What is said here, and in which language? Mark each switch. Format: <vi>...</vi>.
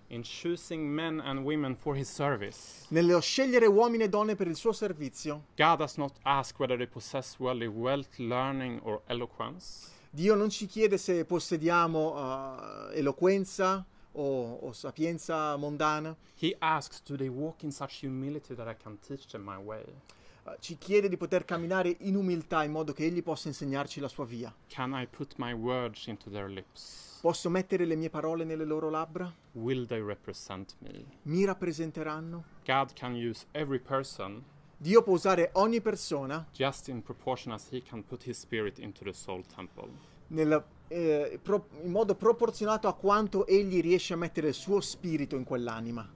<en>In choosing men and women for his service.</en> <it>Nello scegliere uomini e donne per il suo servizio.</it> <en>God does not ask whether they possess worldly wealth, learning or eloquence.</en> <it>Dio non ci chiede se possediamo eloquenza o sapienza mondana.</it> <en>He asks, do they walk in such humility that I can teach them my way?</en> <it>Ci chiede di poter camminare in umiltà in modo che egli possa insegnarci la sua via.</it> <en>Can I put my words into their lips?</en> <it>Posso mettere le mie parole nelle loro labbra?</it> <en>Will they represent me?</en> <it>Mi rappresenteranno?</it> <en>God can use every person.</en> <it>Dio può usare ogni persona.</it> <en>Just in proportion as he can put his spirit into the soul temple.</en> <it>In modo proporzionato a quanto egli riesce a mettere il suo spirito in quell'anima.</it>